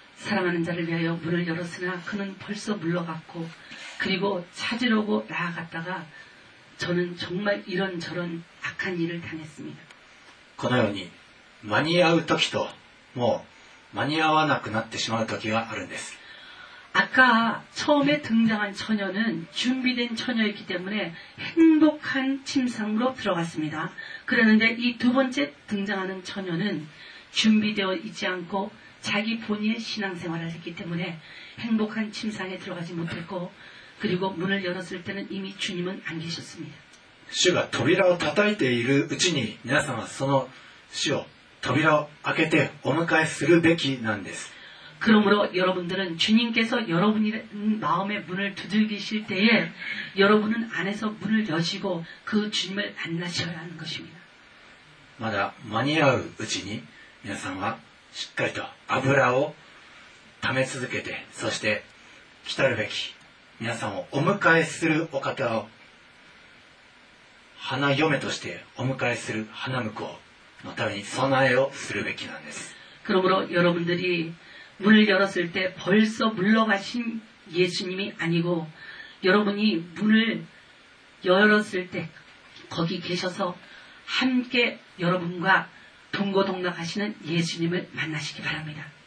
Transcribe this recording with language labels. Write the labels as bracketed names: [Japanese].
[Korean] 사랑하는 자를 위하여 문을 열었으나 그는 벌써 물러갔고 그리고 찾으려고 나아갔다가 저는 정말 이런저런 악한 일을 당했습니다. [Japanese] このように間に合う時ともう間に合わなくなってしまう時があるんです。 [Korean] 아까 처음에 등장한 처녀는 준비된 처녀였기 때문에 행복한 침상으로 들어갔습니다. 그러는데 이 두 번째 등장하는 처녀는 준비되어 있지 않고 자기 본의 신앙생활을 했기 때문에 행복한 침상에 들어가지 못했고 그리고 문을 열었을 때는 이미 주님은 안 계셨습니다. 주가 [Japanese] 扉를 叩いている うちに 皆さんはその主を扉を開けてお迎えするべきなんです。 [Korean] 그러므로 여러분들은 주님께서 여러분의 마음의 문을 두들기실 때에 여러분은 안에서 문을 여시고 그 주님을 만나셔야 하는 것입니다. 마다 마니아우 [Japanese] うちに 皆さんは しっかりと油を溜め続けて、そして来たるべき皆さんをお迎えするお方を花嫁としてお迎えする花婿のために備えをするべきなんです。 [Korean] 그러므로 여러분들이 문을 열었을 때 벌써 물러가신 예수님이 아니고 여러분이 문을 열었을 때 거기 계셔서 함께 여러분과 동고동락하시는 예수님을 만나시기 바랍니다.